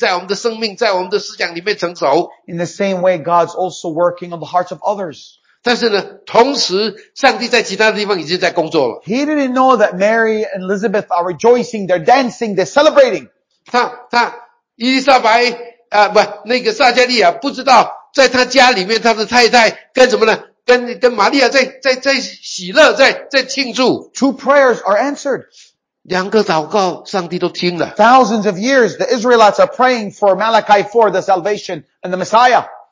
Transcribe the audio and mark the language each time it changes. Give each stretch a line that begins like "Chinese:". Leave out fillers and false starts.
Chinese: 也盼望我们能够成熟在我们的个性，在我们的生命，在我们的思想里面成熟。
English: In the same way, God's also working on the hearts of others.
Chinese: 但是呢，同时，上帝在其他地方已经在工作了。
English: He didn't know that Mary and Elizabeth are rejoicing, they're dancing, they're celebrating.
Chinese: 伊丽莎白，不，那个撒加利亚不知道。在他家里面，他的太太跟什么呢？跟玛利亚在喜乐，在庆祝。
English: Two prayers are answered.
Chinese: 两个祷告，上帝都听了。
English: Thousands of years, the Israelites are praying for Malachi 4, the salvation and the Messiah.